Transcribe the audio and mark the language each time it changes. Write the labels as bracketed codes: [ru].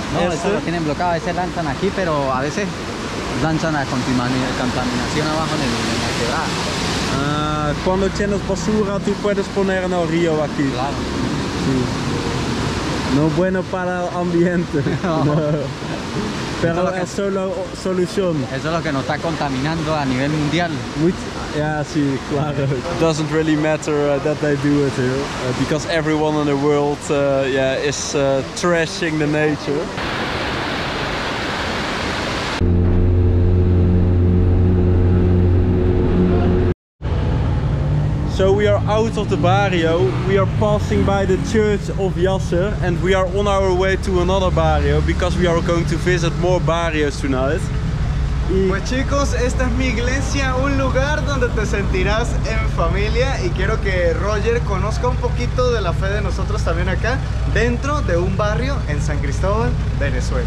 [es] No, eso lo tienen bloqueado, a veces lanzan aquí, pero a veces lanzan la contaminación abajo en la quebrada. Cuando tienes basura, tú puedes poner en el río aquí. Claro. Sí. No bueno para el ambiente. No. Pero eso es solo solución. Eso es lo que nos está contaminando a nivel mundial. Yeah, sí, claro. [en] It doesn't really matter that they do it here, because everyone in the world is trashing the nature. So we are out of the barrio, we are passing by the church of Yasser, and we are on our way to another barrio because we are going to visit more barrios tonight. [es] Pues chicos, esta es mi iglesia, un lugar donde te sentirás en familia, y quiero que Roger conozca un poquito de la fe de nosotros también acá, dentro de un barrio en San Cristóbal, Venezuela.